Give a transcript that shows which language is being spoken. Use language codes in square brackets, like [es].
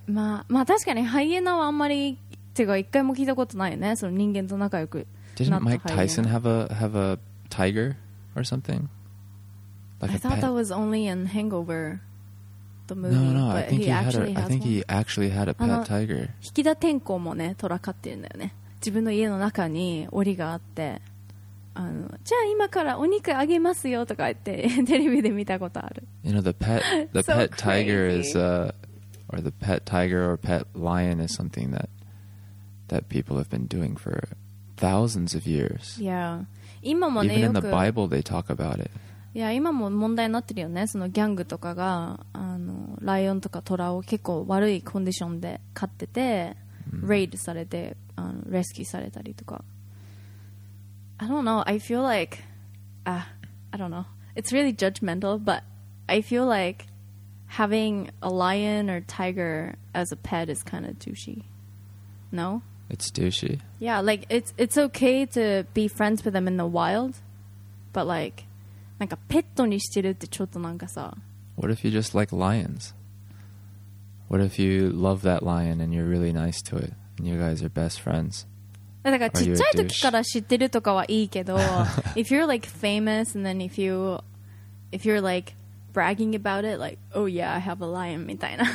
[ja] まあ、確かにハイエナはあんまり、てか一回も聞いたことないよね。その人間と仲良くなったハイエナ。 [en] Didn't Mike Tyson have a tiger or something? Like I thought that was only in Hangover. The movie, no, I think he actually had a pet tiger. [ja] 引き田天功もね、トラ飼ってるんだよね。自分の家の中に檻があって、あの、じゃあ今からお肉あげますよとか言ってテレビで見たことある。 [en] You know, the pet tiger is, or the pet tiger or pet lion is something that people have been doing for thousands of years. [ja] Yeah. 今もね、 [en] Even in the Bible, they talk about it. [ja] いや今も問題になってるよね。そのギャングとかがあのライオンとかトラを結構悪いコンディションで飼ってて、レイドされてあのレスキューされたりとか。 [en] I don't know. I feel like, I don't know. It's really judgmental, but I feel like having a lion or tiger as a pet is kind of douchey. No? It's douchey. Yeah, like it's okay to be friends with them in the wild, but like. [ja] なんかペットにしてるってちょっとなんかさ [en] What if you just like lions? What if you love that lion and you're really nice to it and you guys are best friends? [ja] だからちっちゃい時から知ってるとかはいいけど [en] If you're like famous and then if you're like bragging about it like oh yeah I have a lion みたいな